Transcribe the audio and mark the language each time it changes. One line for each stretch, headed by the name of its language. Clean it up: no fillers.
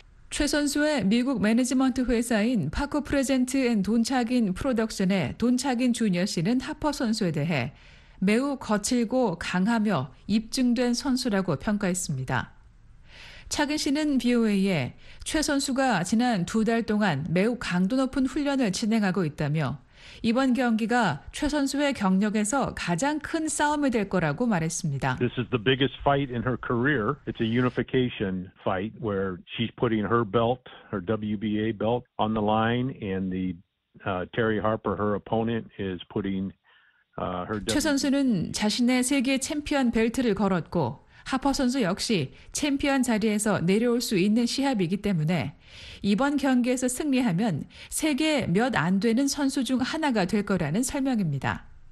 Korean: 최선수의 미국 매니지먼트 회사인 파코 프레젠트 앤 돈차긴 프로덕션의 돈차긴 주니어 씨는 하퍼 선수에 대해 매우 거칠고 강하며 입증된 선수라고 평가했습니다. 차긴 씨는 BOA에 최 선수가 지난 두 달 동안 매우 강도 높은 훈련을 진행하고 있다며 이번 경기가 최 선수의 경력에서 가장 큰 싸움이 될 거라고 말했습니다.
English: This is the biggest fight in her career. It's a unification fight where she's putting her belt, her WBA belt on the line and the Terry Harper, her opponent is putting her
Korean: WBA. 최 선수는 자신의 세계 챔피언 벨트를 걸었고 하퍼 선수 역시 챔피언 자리에서 내려올 수 있는 시합이기 때문에 이번 경기에서 승리하면 세계 몇 안 되는 선수 중 하나가 될 거라는 설명입니다.